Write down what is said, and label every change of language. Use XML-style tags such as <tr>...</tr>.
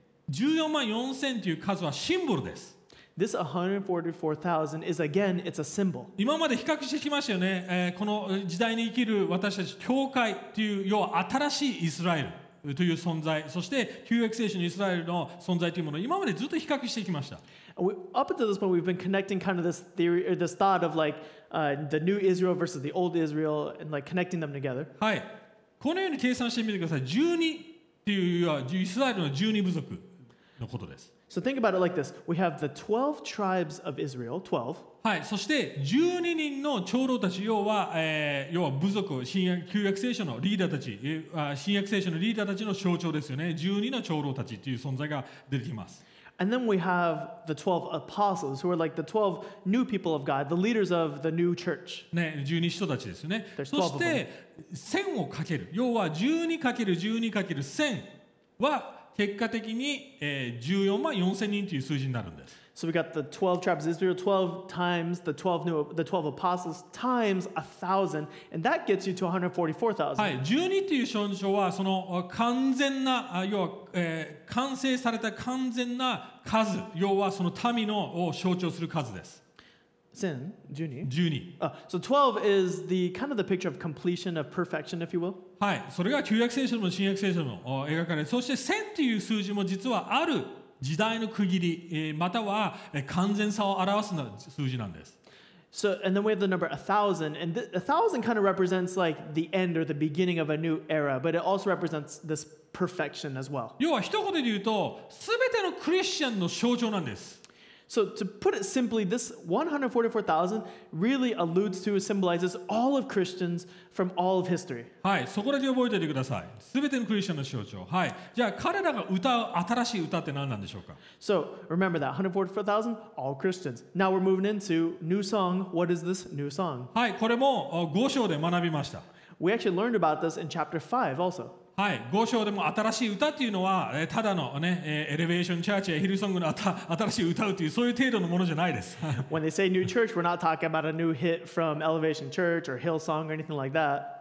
<ja>144,000という数はシンボルです。</ja> <en>This 144,000 is again, it's a symbol.</en> <ja>今まで比較してきましたよね。この時代に生きる私たち教会という要は新しいイスラエルという存在、そして旧約聖書のイスラエルの存在というものを今までずっと比較してきました。</ja> <en>Up until this point, we've been connecting kind of this theory or this thought of like the new Israel versus the old Israel and like connecting them together.</en> <ja>はい。このように計算してみてください。12というイスラエルの12部族のことです。</ja> <en>So think about it like this. We have the 12 tribes of Israel, 12.</en> <ja>はい、そして12人の長老たち、要は部族、旧約聖書のリーダーたち、新約聖書のリーダーたちの象徴ですよね。 12の長老たちという存在が出てきます。</ja> <en>And then we have the 12 apostles, who are like the 12 new people of God, the leaders of the new church.</en> <ja>ね、12人たちですよね。そして1000をかける、要は 12×12×1000 は結果的に144,000人という数字になるんです。</ja> <en>So we got the 12 tribes of Israel, 12 times the 12 new, the 12 apostles times 1,000, and that gets you to 144,000.</en> <ja>はい、12という象徴はその完全な、要は、完成された完全な数、要はその民のを象徴する数です。</ja> <en>Sin, 12. So 12 is the kind of the picture of completion, of perfection, if you will.</en> <ja>はい、それが旧約聖書も新約聖書も描かれ、そして1000という数字も実はある時代の区切り、または完全さを表す数字なんです。</ja> <en>So, and then we have the number 1,000, and 1,000 kind of represents like the end or the beginning of a new era, but it also represents this perfection as well.</en> <ja>要は一言で言うと、すべてのクリスチャンの象徴なんです。</ja> <en>So to put it simply, this 144,000 really alludes to, symbolizes all of Christians from all of history.</en> <ja>はい、そこだけ覚えておいてください。すべてのクリスチャンの象徴。はい。じゃあ彼らが歌う新しい歌って何なんでしょうか。</ja> <en>So remember that 144,000, all Christians. Now we're moving into new song. What is this new song?</en> <ja>はい、これも5章で学びました。</ja> <en>We actually learned about this in chapter 5 also.</en> <ja>はい、5章でも新しい歌っていうのはただのね、エレベーションチャーチやヒルソングの新しい歌うっていうそういう程度のものじゃないです。</ja> <en>When they say new church, we're not talking about a new hit from Elevation Church or Hillsong or anything like that.</en>